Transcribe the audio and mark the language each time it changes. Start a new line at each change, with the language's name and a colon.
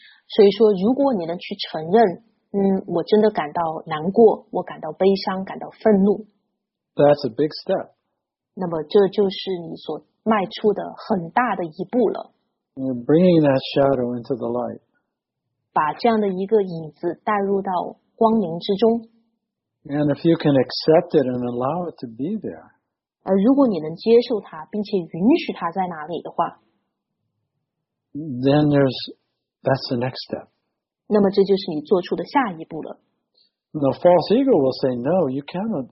Chinese: 所以说，如果你能去承认，我真的感到难过，我感到悲伤，感到愤怒。
English: That's a big step.
Chinese: 那么这就是你所迈出的很大的一步了。
English: You're bringing that shadow into the light.
Chinese: 把这样的一个影子带入到光明之中。
English: And if you can accept it and allow it to be there.
Chinese: 而如果你能接受它，并且允许它在哪里的话
English: ，then that's the next step.
Chinese: 那么这就是你做出的下一步了。
English: The false ego will say, "No, you cannot.